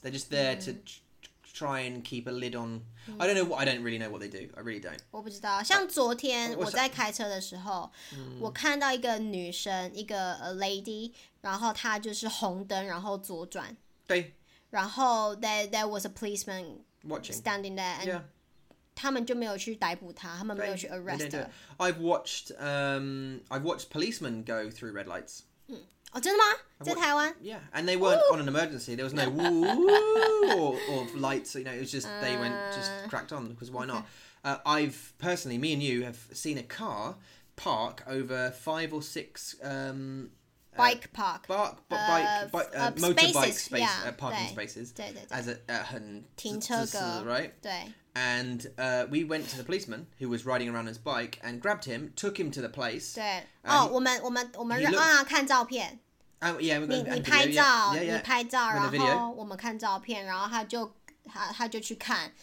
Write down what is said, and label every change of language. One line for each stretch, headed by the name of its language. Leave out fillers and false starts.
English: They're just there to try and keep a lid on. I don't know. I don't really know what they do. I really don't.
Chinese: 我不知道。像昨天我在开车的时候，我看到一个女生，一个 lady， 然后她就是红灯，然后左转。对。
English: 然后 there was a policeman watching standing there and. Yeah.
Chinese: 他们就没有去逮捕他，他们没有去
English: arrest her. I've watched policemen go through red lights.
Chinese: 哦，真的吗？在台湾？
English: Yeah, and they weren't on an emergency. There was no woo or lights. You know, it was just they went just cracked on because why not? I've personally, me and you have seen a car park over 5 or 6 bike park, motorbike space, parking spaces,
Chinese: 停车格
English: right?
Chinese: 对。
English: And we went to the policeman who was riding around his bike and grabbed him, took him to the place.
Chinese: 对。我们看照片。
English: Yeah, we're going to pay video.
Chinese: 你拍照，然后我们看照片，然后他就去看。